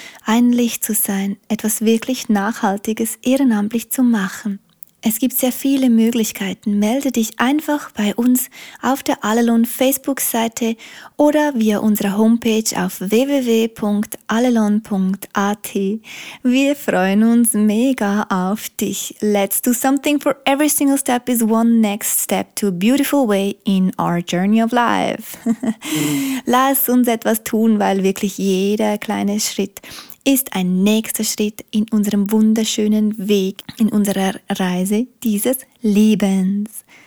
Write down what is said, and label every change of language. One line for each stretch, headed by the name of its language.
German: Ein Licht zu sein, etwas wirklich Nachhaltiges ehrenamtlich zu machen. Es gibt sehr viele Möglichkeiten. Melde dich einfach bei uns auf der Alelon Facebook-Seite oder via unserer Homepage auf www.alelon.at. Wir freuen uns mega auf dich.
English: Let's do something, for every single step is one next step to a beautiful way in our journey of life.
German: Lass uns etwas tun, weil wirklich jeder kleine Schritt ist ein nächster Schritt in unserem wunderschönen Weg, in unserer Reise dieses Lebens.